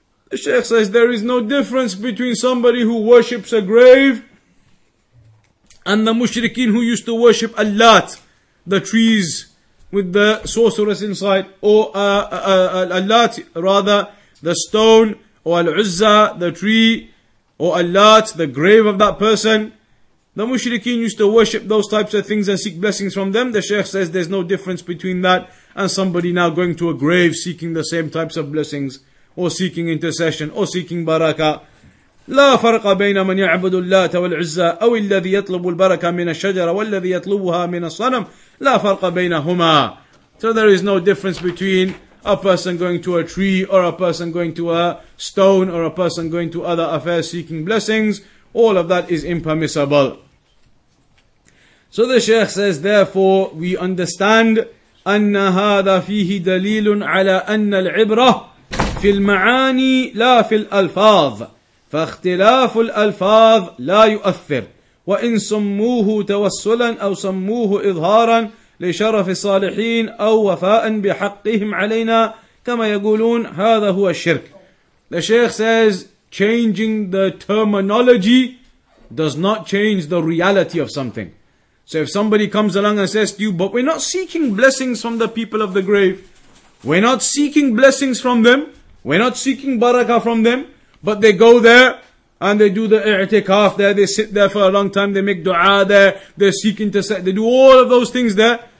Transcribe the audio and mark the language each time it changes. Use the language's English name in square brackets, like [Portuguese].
[English] The Shaykh says there is no difference between somebody who worships a grave and the mushrikeen who used to worship Allat, the trees with the sorceress inside, or Allat rather, the stone, or Al-Uzza, the tree, or Allat, the grave of that person. The mushrikeen used to worship those types of things and seek blessings from them. The Shaykh says there's no difference between that and somebody now going to a grave seeking the same types of blessings, or seeking intercession, or seeking barakah. [Arabic] لا فرق بين من يعبد اللات والعزى أو الذي يطلب البركة من الشجرة والذي يطلبها من الصنم لا فرق بينهما. [English] So there is no difference between a person going to a tree, or a person going to a stone, or a person going to other affairs seeking blessings. All of that is impermissible. So the Shaykh says, therefore we understand [Arabic] أن هذا فيه دليل على أن العبرة في المعاني لا في الألفاظ. فاختلاف الألفاظ لا يؤثر وإن سموه توسلا أو سموه إظهارا لشرف الصالحين أو وفاء بحقهم علينا كما يقولون هذا هو الشرك. [English] The Shaykh says changing the terminology does not change the reality of something. So if somebody comes along and says to you, but we're not seeking blessings from the people of the grave, we're not seeking blessings from them, We're not seeking barakah from them, but they go there and they do the i'tikaf there, they sit there for a long time, they make dua there, they're seeking to say, they do all of those things there.